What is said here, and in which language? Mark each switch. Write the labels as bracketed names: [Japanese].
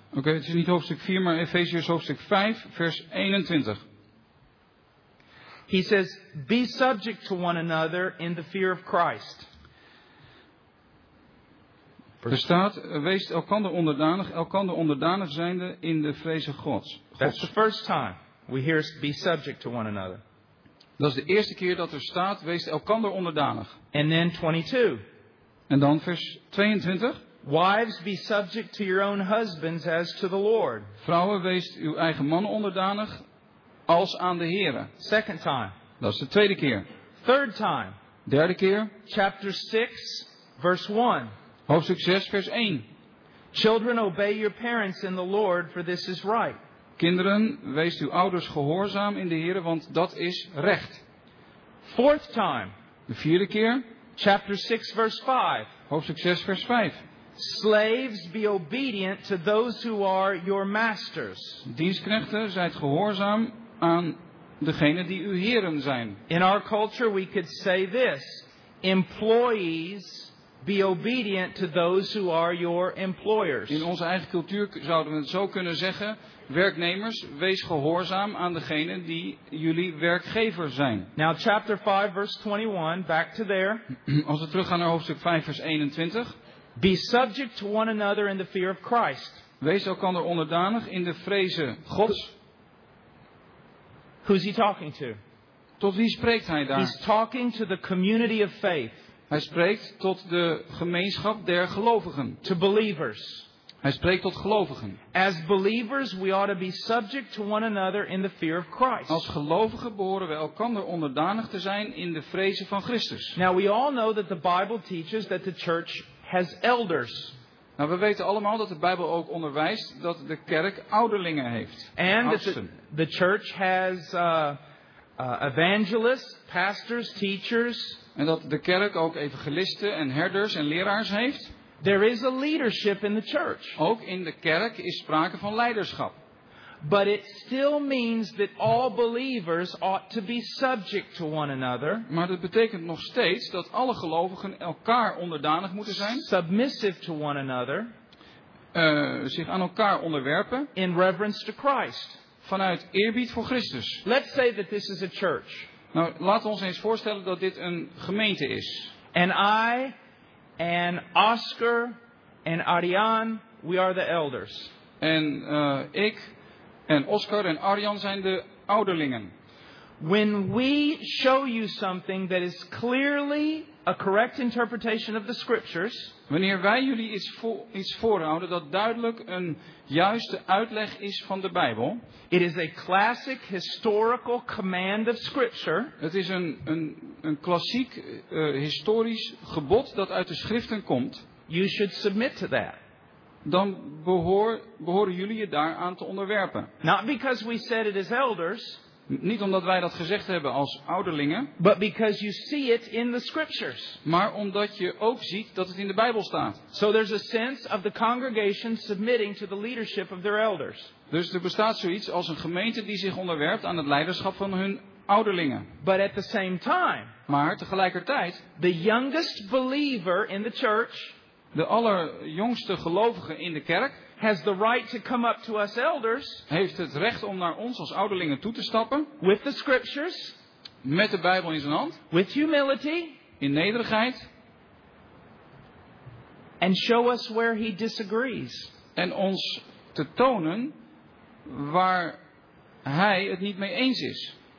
[Dutch] Okay, het is niet hoofdstuk 4, maar Efeziërs hoofdstuk 5 vers 21. [English] He says, "Be subject to one another in the fear of Christ." [Dutch] Er staat, wees elkander onderdanig zijnde in de vreze Gods. [English] That's the first time we hear be subject to one another. [Dutch] Dat is de eerste keer dat er staat, wees elkander onderdanig. [English] And then 22. [Dutch] En dan vers 22. [English] Wives, be subject to your own husbands as to the Lord. [Dutch] Vrouwen, wees uw eigen man onderdanig als aan de Heere. [English] Second time. [Dutch] Dat is de tweede keer. [English] Third time. [Dutch] Derde keer. [English] Chapter 6, verse 1. [Dutch] Hoofdstuk 6, vers 1. [English] Children, obey your parents in the Lord, for this is right. [Dutch] Kinderen, wees uw ouders gehoorzaam in de Heere, want dat is recht. [English] Fourth time. [Dutch] De vierde keer. [English] Chapter 6, verse 5. [Dutch] Hoofdstuk 6, vers 5. [English] Slaves, be obedient to those who are your masters. [Dutch] Dienstknechten, zijt gehoorzaam aan degenen die uw heren zijn. [English] In our culture we could say this: employees, be obedient to those who are your employers. [Dutch] In onze eigen cultuur zouden we het zo kunnen zeggen: werknemers, wees gehoorzaam aan degenen die jullie werkgever zijn. [English] Now chapter 5 verse 21, back to there. [Dutch] Als we teruggaan naar hoofdstuk 5 vers 21. [English] Be subject to one another in the fear of Christ. [Dutch] Wees elkander onderdanig in de vreze Gods. [English] Who's he talking to? [Dutch] Tot wie spreekt hij daar? [English] He's talking to the community of faith. [Dutch] Hij spreekt tot de gemeenschap der gelovigen. [English] To believers. [Dutch] Hij spreekt tot gelovigen. [English] As believers, we ought to be subject to one another in the fear of Christ. [Dutch] Als gelovigen behoren we elkander onderdanig te zijn in de vrezen van Christus. [English] Now we all know that the Bible teaches that the church has elders. [Dutch] Nou, we weten allemaal dat de Bijbel ook onderwijst dat de kerk ouderlingen heeft. [English] And the church has evangelists, pastors, teachers. [Dutch] En dat de kerk ook evangelisten en herders en leraars heeft. [English] There is a leadership in the church. [Dutch] Ook in de kerk is sprake van leiderschap. [English] But it still means that all believers ought to be subject to one another. [Dutch] Maar dat betekent nog steeds dat alle gelovigen elkaar onderdanig moeten zijn. [English] Submissive to one another. [Dutch] Zich aan elkaar onderwerpen. [English] In reverence to Christ. [Dutch] Vanuit eerbied voor Christus. [English] Let's say that this is a church. [Dutch] Nou, laten we ons eens voorstellen dat dit een gemeente is. [English] And I and Oscar and Arian, we are the elders. [Dutch] En ik en Oscar en Arjan zijn de ouderlingen. [English] When we show you something that is clearly a correct interpretation of the scriptures, [Dutch] wanneer wij jullie iets voorhouden dat duidelijk een juiste uitleg is van de Bijbel, [English] it is a classic historical command of scripture. [Dutch] Het is een klassiek historisch gebod dat uit de schriften komt. [English] You should submit to that. [Dutch] Dan behoren jullie je daaraan te onderwerpen. [English] Not because we said it as elders, [Dutch] niet omdat wij dat gezegd hebben als ouderlingen, [English] but because you see it in the scriptures. [Dutch] Maar omdat je ook ziet dat het in de Bijbel staat. [English] So there's a sense of the congregation submitting to the leadership of their elders. [Dutch] Dus er bestaat zoiets als een gemeente die zich onderwerpt aan het leiderschap van hun ouderlingen. [English] But at the same time, [Dutch] maar tegelijkertijd, [English] the youngest believer in the church, [Dutch] de allerjongste gelovige in de kerk, [English] has the right to come up to us elders, [Dutch] heeft het recht om naar ons als ouderlingen toe te stappen, [English] with the scriptures, [Dutch] met de Bijbel in zijn hand, [English] with humility, [Dutch] in nederigheid, [English] and show us where he disagrees, [Dutch] en ons te tonen waar hij het niet mee eens is.